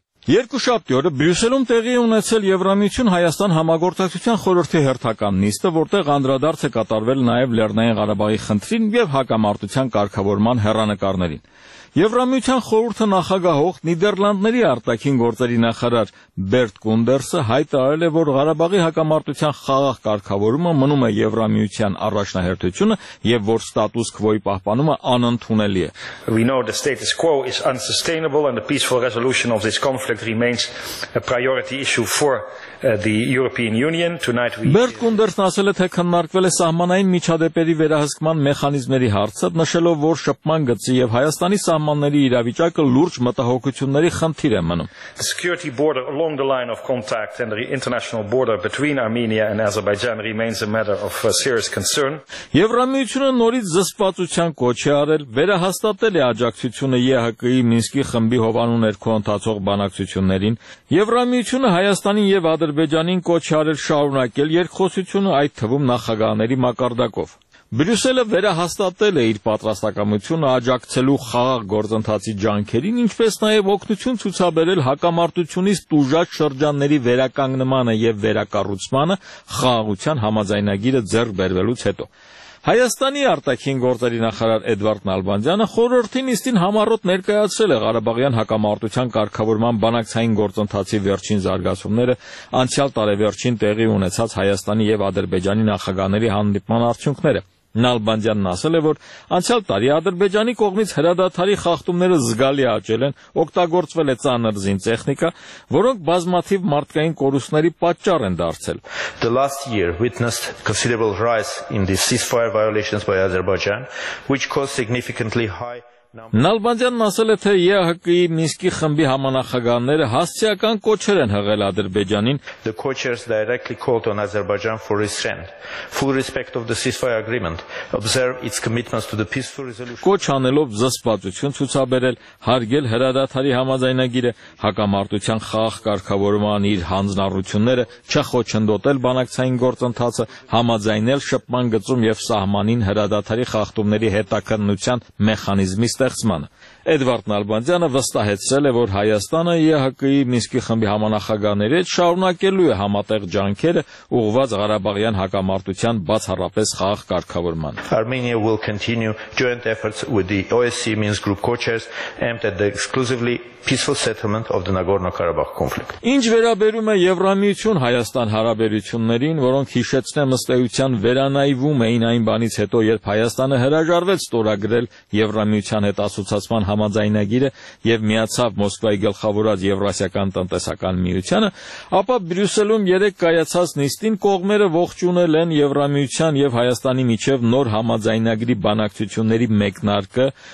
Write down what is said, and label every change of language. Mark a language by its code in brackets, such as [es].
[hy] Երկու շաբթի օրը Բրյուսելում տեղի ունեցել Եվրամիություն-Հայաստան համագործակցության խորհրդի հերթական նիստը, որտեղ անդրադարձ է կատարվել նաև Լեռնային Ղարաբաղի խնդրին և հակամարտության կարգավորման հեռանկարներին։ Եվրամիության խորհուրդը նախագահող Նիդերլանդների արտաքին գործերի նախարար Բերտ Կունդերսը հայտարարել է, որ Ղարաբաղի հակամարտության խաղաղ կարգավորումը մնում է Եվրամիության առաջնահերթությունը և որ ստատուս քվոյի պահպանումը անընդունելի է։ [en] We know the status quo is unsustainable and the peaceful resolution of this conflict remains a priority issue for the European Union. Tonight we [hy] Բերտ Կունդերսն ասել է, թե քննարկվել է սահմանային միջադեպերի վերահսկման մեխանիզմների հարցը, նշելով, որ շփման գծի և Հայաստանի սահմանների իրավիճակը լուրջ մտահոգությունների խնդիր է մնում։ [en] The security border along the line of contact and the international border between Armenia and Azerbaijan remains a matter of serious concern. [hy] Եվրամիությունը նորից զսպվածության կոչ է արել, վերահաստատել է աջակցությունը ԵՀԿ-ի Մինսկի խմբի հովանու ներքո ընթացող բանակցություններին։ Եվրամիությունը Հայաստանին եւ Ադրբեջանին կոչ է արել շարունակել երկխոսությունը, այդ թվում նախագահների մակարդակով։ Բրյուսելը վերահաստատել է իր պատրաստակամությունը աջակցելու խաղաղ գործընթացի ջանքերին, ինչպես նաև օգնություն ցուցաբերել հակամարտությունից տուժած շրջանների վերականգնմանը և վերակառուցմանը խաղաղության համաձայնագիրը ձեռք բերվելուց հետո։ Հայաստանի արտաքին գործերի նախարար Էդվարդ Նալբանդյանը խորհրդի նիստին համառոտ ներկայացրել է Ղարաբաղյան հակամարտության կարգավորման բանակցային գործընթացի վերջին զարգացումները, անցյալ տարեվերջին տեղի ունեցած Հայաստանի և Ադրբեջանի նախագահների հանդիպման արդյունքները։ Նալբանդյանն ասել է, որ անցյալ տարի Ադրբեջանի կողմից հրադադարի խախտումները զգալի աճել են, օգտագործվել է ծանր զին տեխնիկա, որոնք բազմաթիվ մարդկային կորուստների պատճառ են դարձել։ [en] The last year witnessed considerable rise in the ceasefire violations by Azerbaijan, which caused significantly high [hy] Նալբանդյանն ասել է, թե ԵՀԿ-ի Մինսկի խմբի համանախագահները հասցեական կոչեր են հղել Ադրբեջանին. [en] The coachers directly called on Azerbaijan for restraint, full respect of the ceasefire agreement, observe its commitments to the peaceful resolution. [hy] Կոչ անելով զսպվածություն ցուցաբերել, հարգել հրադադարի համաձայնագիրը, հակամարտության խաղաղ կարգավորման իր հանձնառությունները, չխոչընդոտել բանակցային գործընթացը, համաձայնել շփման գծում և սահմանին հրադադարի խախտումների հետաքննության մեխանիզմի ստեղծման։ Էդվարդ Նալբանդյանը վստահեցրել է, որ Հայաստանը ԵՀԿ-ի Մինսկի խմբի համանախագահների հետ շարունակելու է համատեղ ջանքերը ուղղված Ղարաբաղյան հակամարտության բացառապես խաղաղ կարգավորման։ [en] Armenia will continue joint efforts with the OSCE Minsk group co-chairs aimed at the exclusively peaceful settlement of the Nagorno-Karabakh conflict. [hy] Ինչ վերաբերում է Եվրամիություն-Հայաստան հարաբերություններին, որոնք հիշեցնեմ ըստեյության վերանայվում էին այն բանից հետո, երբ Հայաստանը հրաժարվեց ստորագրել Եվրամիության հետ ասոցացման համաձայնագիրը և միացավ Մոսկվայի գլխավորած Եվրասիական տնտեսական միությանը, ապա Բրյուսելում երեկ կայացած նիստին կողմերը ողջունել են Եվրամիության և Հայաստանի միջև նոր համաձայնագրի բանակցությունների մեկնարկը,